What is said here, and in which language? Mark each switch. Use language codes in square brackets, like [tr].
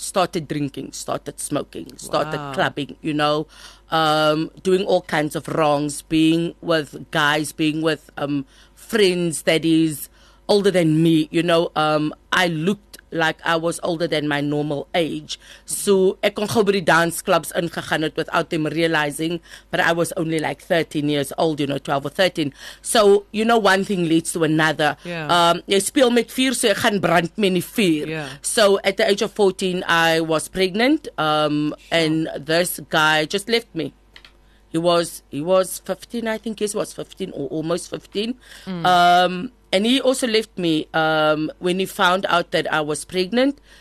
[en] Started drinking, started smoking, started clubbing, you know, doing all kinds of wrongs, being with guys, being with friends that is older than me, you know. I looked like I was older than my normal age. [af] So ek kon gou by die dance clubs ingegaan het [en] without them realizing, but I was only like 13 years old, you know, 12 or 13. So, you know, one thing leads to another. Yeah. [af] Jy speel met vuur, so jy gaan brand met die vuur. [en] Yeah. So at the age of 14, I was pregnant, and this guy just left me. He was 15, I think he was 15 or almost 15. And he also left me when he found out that I was pregnant.